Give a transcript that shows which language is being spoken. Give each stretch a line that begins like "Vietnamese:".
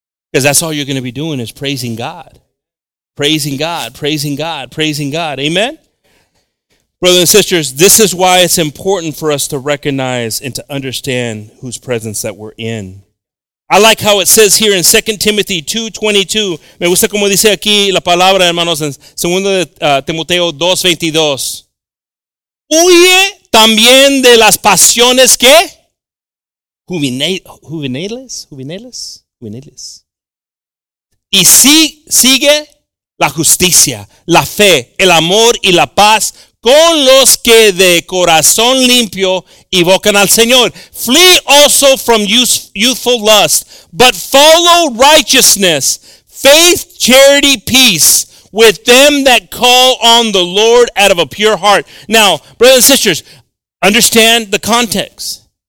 English: Because that's all you're going to be doing is praising God. Praising God, praising God, praising God. Amen? Brothers and sisters, this is why it's important for us to recognize and to understand whose presence that we're in. I like how it says here in 2 Timothy 2:22.
Spanish: Me gusta como dice aquí la palabra, hermanos, en 2 Timoteo 2:22. Huye también de las pasiones que juveniles. Y sigue la justicia, la fe, el amor y la paz con los que de corazón limpio invocan al Señor.
English: Flee also from youthful lust, but follow righteousness, faith, charity, peace with them that call on the Lord out of a pure heart. Now, brothers and sisters, understand the context.